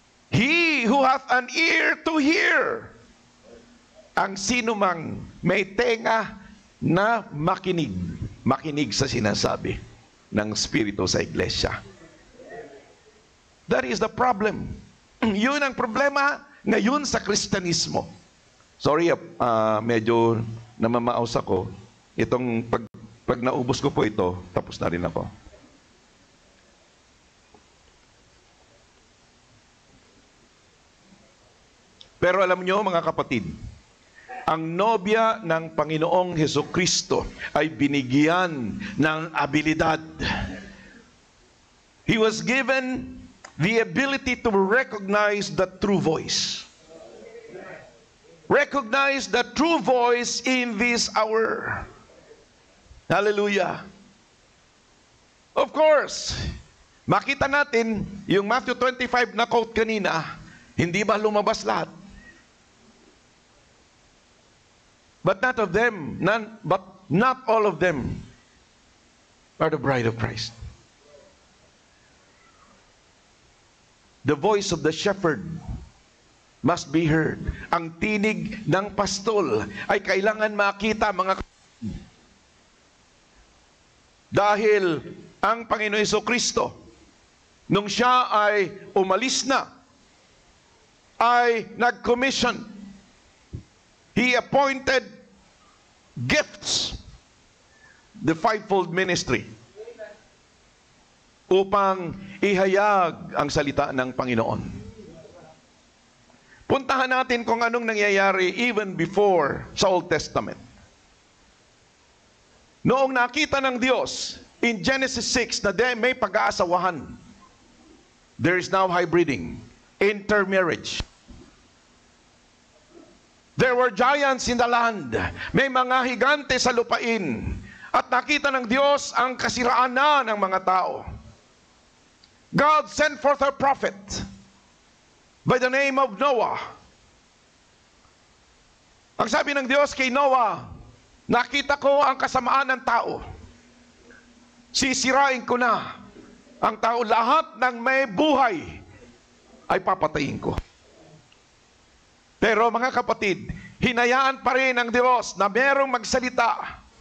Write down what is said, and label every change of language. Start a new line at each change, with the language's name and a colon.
English: He who hath an ear to hear.
Filipino: Ang sino mang may tenga na makinig. Makinig sa sinasabi ng Espiritu sa iglesia.
English: That is the problem.
Filipino: Yun ang problema ngayon sa Kristyanismo. Sorry, medyo namamaos ako. Itong pag naubos ko po ito, tapos na rin ako. Pero alam nyo, mga kapatid, ang nobya ng Panginoong Hesukristo ay binigyan ng abilidad.
English: He was given the ability to recognize the true voice. Recognize the true voice in this hour. Hallelujah.
Filipino: Of course, makita natin yung Matthew 25 na quote kanina, hindi ba lumabas lahat?
English: But not of them, none, but not all of them are the bride of Christ. The voice of the shepherd must be heard.
Filipino: Ang tinig ng pastol ay kailangan makita, mga dahil ang Panginoong Hesukristo, nung siya ay umalis na, ay nag-commission.
English: He appointed gifts, the fivefold ministry,
Filipino: upang ihayag ang salita ng Panginoon. Puntahan natin kung anong nangyayari
English: even before
Filipino: sa Old Testament. Noong nakita ng Diyos in Genesis 6 na may pag-aasawahan,
English: there is now hybriding, intermarriage. There were giants in the land.
Filipino: May mga higante sa lupain. At nakita ng Diyos ang kasiraan na ng mga tao.
English: God sent forth a prophet by the name of Noah.
Filipino: Ang sabi ng Diyos kay Noah, nakita ko ang kasamaan ng tao. Sisirain ko na ang tao. Lahat ng may buhay ay papatayin ko. Pero mga kapatid, hinayaan pa rin ang Diyos na merong magsalita.